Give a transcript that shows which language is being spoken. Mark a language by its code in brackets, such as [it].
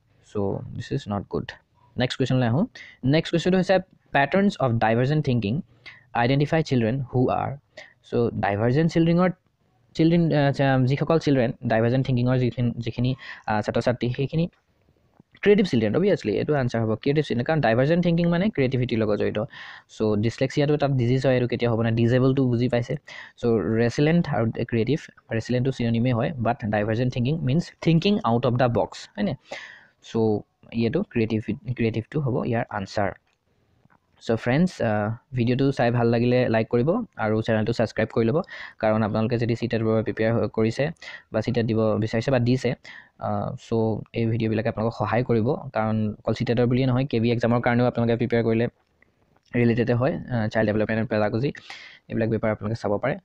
[en] So' this is not good. [as] Next কুৱেশ্যনলৈ আহোঁ। [en] Next কুৱেশ্যনটো হৈছে patterns of divergent thinking identify children who are. [as] So divergent চিলড্ৰেনৰ children যিসকল children divergent থিংকিঙৰ যিখিনি ছাত্ৰ ছাত্ৰী, সেইখিনি ক্ৰিয়েটিভ চিলড্ৰেন, অভিয়াছলি এইটো আনচাৰ হ'ব ক্ৰিয়েটিভ চিলড্ৰেন, কাৰণ ডাইভাৰ্জেণ্ট থিংকিং মানে ক্ৰিয়েটিভিটিৰ লগত জড়িত। চ' ডিছলেক্সিয়াটো এটা ডিজিজ হয়, এইটো কেতিয়া হ'ব নাই, ডিজেবলটো বুজি পাইছে। [en] so' [as] ৰেচিলেণ্ট আৰু ক্ৰিয়েটিভ, ৰেচিলেণ্টটো চিনোনিমেই হয়, [en] But divergent thinking means thinking out of the box, হয়নে? [as] চ' এইটো ক্ৰিয়েটিভটো হ'ব ইয়াৰ আনচাৰ। চ' ফ্ৰেণ্ডছ, ভিডিঅ'টো চাই ভাল লাগিলে লাইক কৰিব আৰু চেনেলটো ছাবস্ক্ৰাইব কৰি ল'ব, কাৰণ আপোনালোকে যদি চিটেটৰ বাবে প্ৰিপেয়াৰ কৰিছে বা চিটেট দিব বিচাৰিছে বা দিছে, চ' এই ভিডিঅ'বিলাকে আপোনালোকক সহায় কৰিব, কাৰণ অকল চিটেটৰ বুলিয়ে নহয়, কে বি এক্সামৰ কাৰণেও আপোনালোকে প্ৰিপেয়াৰ কৰিলে ৰিলেটেডে হয়, চাইল্ড ডেভেলপমেণ্ট এণ্ড পেডাগজি, এইবিলাক বেপাৰ আপোনালোকে চাব পাৰে।